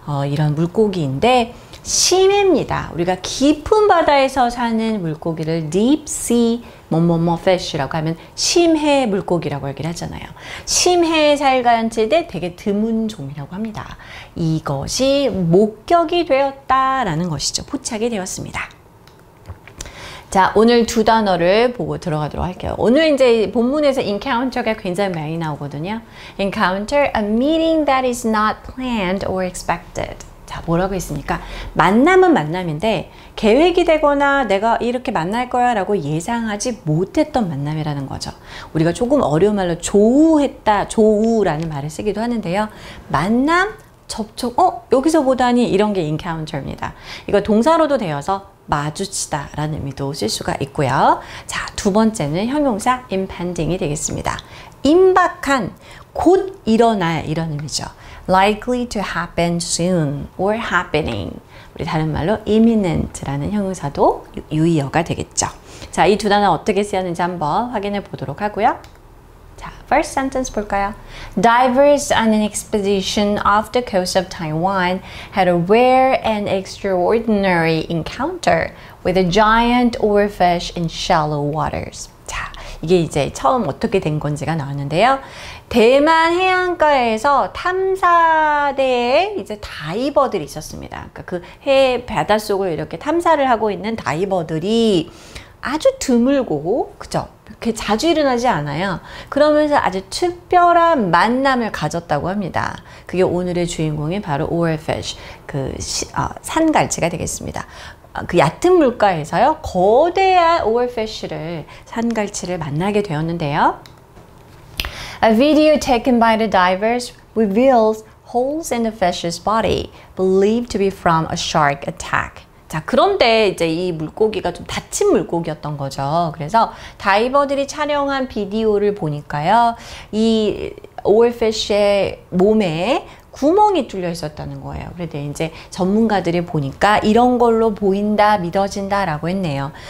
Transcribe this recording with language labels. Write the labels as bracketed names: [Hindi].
[Korean] 이런 물고기인데, 심해입니다. 우리가 깊은 바다에서 사는 물고기를 [English] deep sea [Korean] 뭐뭐뭐 fish라고 하면 심해 물고기라고 하긴 하잖아요. 심해에 살갈치인데 되게 드문 종이라고 합니다. 이것이 목격이 되었다라는 것이죠. 포착이 되었습니다. 자, 오늘 두 단어를 보고 들어가도록 할게요. 오늘 이제 본문에서 encounter가 굉장히 많이 나오거든요. [English] encounter, a meeting that is not planned or expected. [Korean] 자, 뭐라고 했습니까? 만남은 만남인데 계획이 되거나 내가 이렇게 만날 거야 라고 예상하지 못했던 만남이라는 거죠. 우리가 조금 어려운 말로 조우했다, 조우라는 말을 쓰기도 하는데요. 만남, 접촉, 여기서 보다니 이런 게 encounter입니다. 이거 동사로도 되어서 마주치다 라는 의미도 쓸 수가 있고요. 자, 두 번째는 형용사 impending이 되겠습니다. 임박한, 곧 일어날 이런 의미죠. [English] likely to happen soon or happening. [Korean] 우리 다른 말로 imminent라는 형용사도 유의어가 되겠죠. 자, 이 두 단어 어떻게 쓰였는지 한번 확인해 보도록 하고요. 자, [English] first sentence [Korean] 볼까요? [English] Divers on an expedition off the coast of Taiwan had a rare and extraordinary encounter with a giant oar fish in shallow waters. [Korean] 자, 이게 이제 처음 어떻게 된 건지가 나왔는데요. 대만 해안가에서 탐사대에 이제 다이버들이 있었습니다. 그 해 바닷속을 이렇게 탐사를 하고 있는 다이버들이 아주 드물고, 그죠? 그렇게 자주 일어나지 않아요. 그러면서 아주 특별한 만남을 가졌다고 합니다. 그게 오늘의 주인공인 바로 오월피쉬, 산갈치가 되겠습니다. 그 얕은 물가에서요, 거대한 오월피쉬를, 산갈치를 만나게 되었는데요. [English] A video taken by the divers reveals holes in the fish's body, believed to be from a shark attack. [Korean] 자, 그런데 이제 이 물고기가 좀 다친 물고기였던 거죠. 그래서 다이버들이 촬영한 비디오를 보니까요, 이 오월피쉬의 몸에 구멍이 뚫려 있었다는 거예요. 그런데 이제 전문가들이 보니까 이런 걸로 보인다, 믿어진다 라고 했네요.